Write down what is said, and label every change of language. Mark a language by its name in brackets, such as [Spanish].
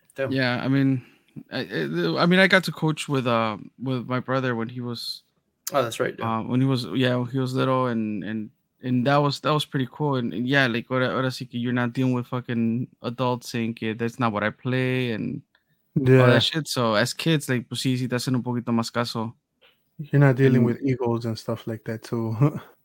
[English] yeah, I mean, I got to coach with my brother when he was little and that was pretty cool. And yeah, like, [Spanish] ahora sí que [English] you're not dealing with fucking adults saying, kid, that's not what I play, and all that shit. So as kids, like, [Spanish] pues sí, te hacen un poquito más caso. [English] You're not dealing with egos and stuff like that too.